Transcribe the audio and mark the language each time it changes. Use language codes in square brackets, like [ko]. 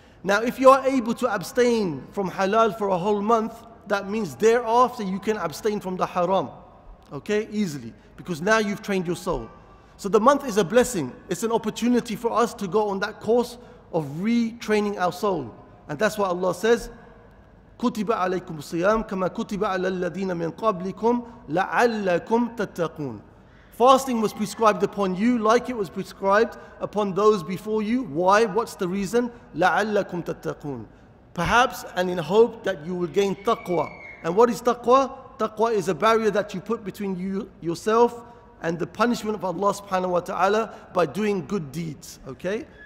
[en] Now, if you are able to abstain from halal for a whole month, that means thereafter you can abstain from the haram, okay, easily, because now you've trained your soul. So the month is a blessing. It's an opportunity for us to go on that course of retraining our soul. And that's why Allah says, [ar] كُتِبَ عَلَيْكُمْ صِيَامْ كَمَا كُتِبَ عَلَى الَّذِينَ مِنْ قَبْلِكُمْ لَعَلَّكُمْ تَتَّقُونَ. [en] Fasting was prescribed upon you like it was prescribed upon those before you. Why? What's the reason? [ar] لَعَلَّكُمْ تَتَّقُونَ. [en] Perhaps and in hope that you will gain taqwa. And what is taqwa? Taqwa is a barrier that you put between you yourself and the punishment of Allah subhanahu wa ta'ala by doing good deeds, okay?